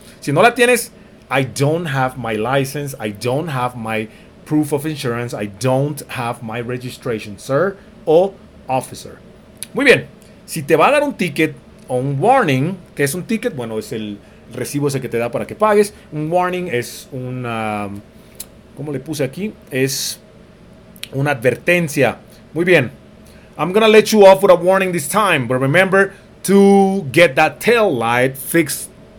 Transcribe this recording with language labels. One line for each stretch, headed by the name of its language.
Spanish: Si no la tienes,
English: I don't have my license, I don't have my proof of insurance, I don't have my registration, sir, o officer.
Spanish: Muy bien, si te va a dar un ticket o un warning, ¿qué es un ticket? Bueno, es el recibo ese que te da para que pagues. Un warning es una, ¿cómo le puse aquí? Es una advertencia.
English: Muy bien, I'm gonna let you off with a warning this time, but remember to get that tail light fixed.